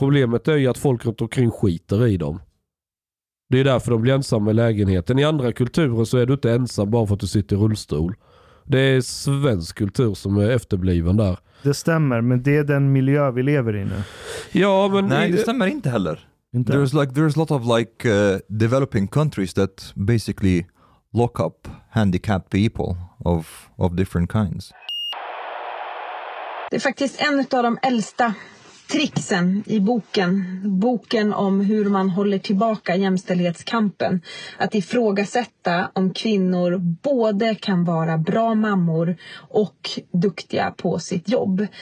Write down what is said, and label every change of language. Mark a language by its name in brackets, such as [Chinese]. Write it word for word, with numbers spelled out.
[Swedish] Problemet är ju att folk runt omkring skiter i dem. Det är därför de blir ensamma i lägenheten. I andra kulturer så är du inte ensam bara för att du sitter i rullstol. Det är svensk kultur som är efterbliven där. Det stämmer, men det är den miljö vi lever i nu. Ja, men nej, det stämmer inte heller. Inte. [English] There's like there's a lot of like uh, developing countries that basically lock up handicapped people of of different kinds. [Swedish] Det är faktiskt en av de äldsta tricksen i boken, boken om hur man håller tillbaka jämställdhetskampen. Att ifrågasätta om kvinnor både kan vara bra mammor och duktiga på sitt jobb.